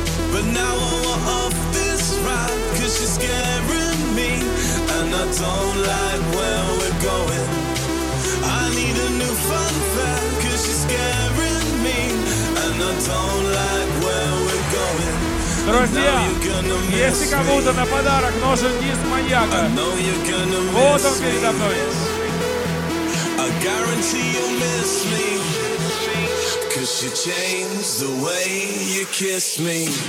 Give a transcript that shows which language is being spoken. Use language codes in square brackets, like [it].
[en] But now I'm off this ride, cause you're scaring me, and I don't like where we're going. I need a new fun fact, cause you're scaring me, and I don't like where we're going. [ru] Друзья, если кому-то на подарок нужен диск маньяка, вот он передо мной. [en] I guarantee you'll miss me, cause you changed the way you kiss me.